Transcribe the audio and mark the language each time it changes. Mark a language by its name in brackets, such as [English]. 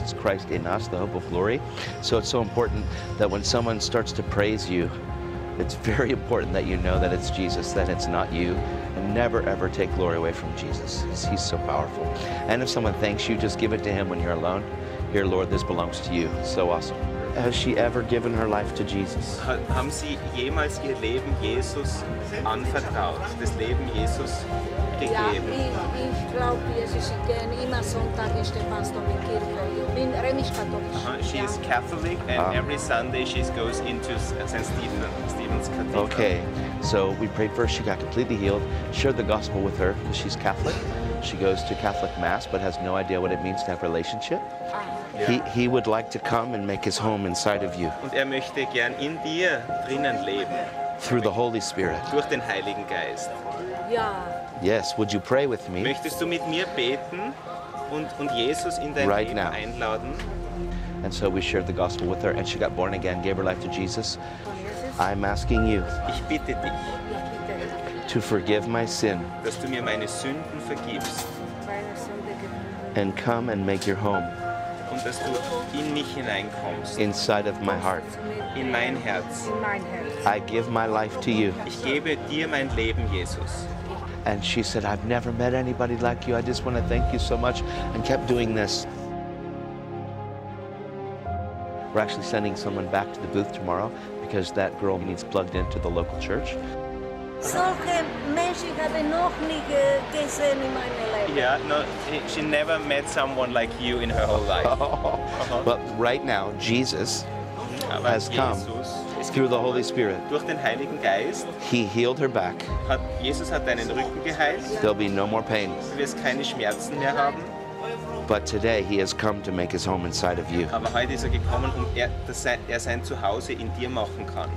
[English] It's Christ in us, the hope of glory. So it's so important that when someone starts to praise you, it's very important that you know that it's Jesus, that it's not you. And never, ever take glory away from Jesus. He's so powerful. And if someone thanks you, just give it to him when you're alone. Here, Lord, this belongs to you. So awesome. Has she ever given her life to Jesus? [German] Haben Sie jemals Ihr Leben Jesus anvertraut? Das Leben Jesus gegeben. [English] She is Catholic, and every Sunday she goes into St. Stephen's Cathedral. Okay, so we prayed for her. She got completely healed. Shared the gospel with her because she's Catholic. She goes to Catholic Mass, but has no idea what it means to have a relationship. Yeah. He would like to come and make his home inside of you. [German] Und möchte gern in dir drinnen leben. [English] Through the Holy Spirit. [German] Durch den Heiligen Geist. Yeah. [English] Yes, would you pray with me? [German] Möchtest du mit mir beten und Jesus in dein [English] right [German] Leben [English] now. [German] Einladen? [English] And so we shared the gospel with her and she got born again, gave her life to Jesus. I'm asking you. [German] Ich bitte dich. [English] To forgive my sin. [German] Dass du mir meine Sünden vergibst. [English] And come and make your home. [German] Und dass du in mich hineinkommst. [English] Inside of my heart. [German] In mein Herz. [English] I give my life to you. [German] Ich gebe dir mein Leben, Jesus. [English] And she said, I've never met anybody like you. I just want to thank you so much. And kept doing this. We're actually sending someone back to the booth tomorrow because that girl needs plugged into the local church. [German] Solche Menschen habe ich noch nie gesehen in meinem Leben. [English] Yeah, no, she never met someone like you in her whole life. But right now, Jesus has come through the Holy Spirit. [German] Durch den Heiligen Geist. [English] He healed her back. [German] Jesus hat deinen Rücken geheilt. [English] There'll be no more pain. [German] Du wirst keine Schmerzen mehr haben. [English] But today he has come to make his home inside of you. [German] Aber heute ist gekommen, um er sein Zuhause in dir machen kann.